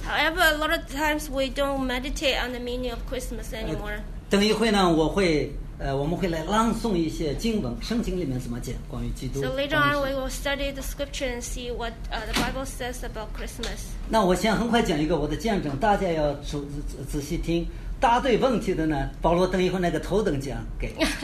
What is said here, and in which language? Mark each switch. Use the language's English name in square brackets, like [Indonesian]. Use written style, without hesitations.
[English] However, a lot of times we don't meditate on the meaning of Christmas anymore. [Chinese] 等一会呢，我们会来朗诵一些经文，圣经里面怎么讲关于基督。 [English] So later on, we will study the scripture and see what the Bible says about Christmas. [Chinese] 那我先很快讲一个我的见证，大家要仔细听。答对问题的呢，保罗等一会那个头等奖给。